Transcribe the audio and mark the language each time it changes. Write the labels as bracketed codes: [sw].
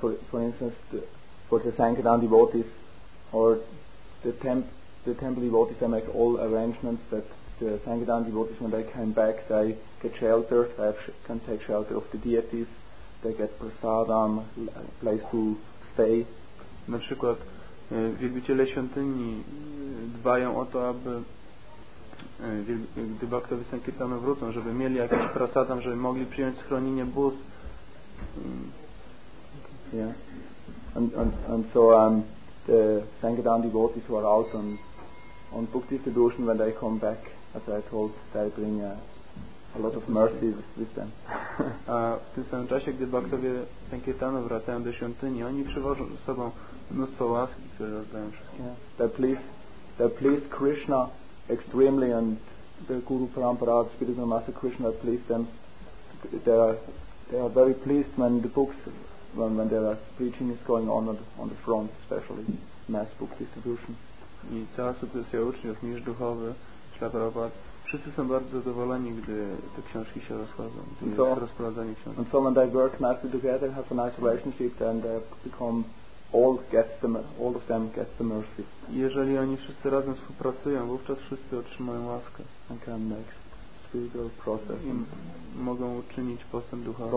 [en] For instance, for the Sankirtan devotees or the temple devotees, they make all arrangements that the Sankirtan devotees, when they come back, they get shelter, they can take shelter of the deities, they get prasadam, place to stay. [pl] Na przykład wielbiciele świątyni dbają o to, aby gdy baktowie Sankirtana wrócą, żeby mieli jakiś prasadam, żeby mogli przyjąć schronienie bóstw. [en] And so the Sankirtan devotees who are out on book distribution, when they come back, as I told, they bring a lot of mercy with them. [pl] A w tym samym czasie, gdy baktowie Sankirtana wracają do świątyni, oni przywożą ze sobą mnóstwo łaski, które rozdają wszystkim. [en] Yeah. They please Krishna extremely, and the Guru Parampara, Spiritual Master Krishna, please them. They are very pleased when the books, when their preaching is going on the front, especially mass book distribution. [pl] I cała sytuacja uczniów, mistrz duchowy, wszyscy są bardzo zadowoleni, gdy te książki się rozchodzą, rozprowadzanie książek. [en] And so when they work nicely together, have a nice relationship, then they become all of them get the mercy. [pl] Jeżeli oni wszyscy razem współpracują, wówczas wszyscy otrzymają łaskę. [en] And can make spiritual process. [pl] I mogą uczynić postęp duchowy.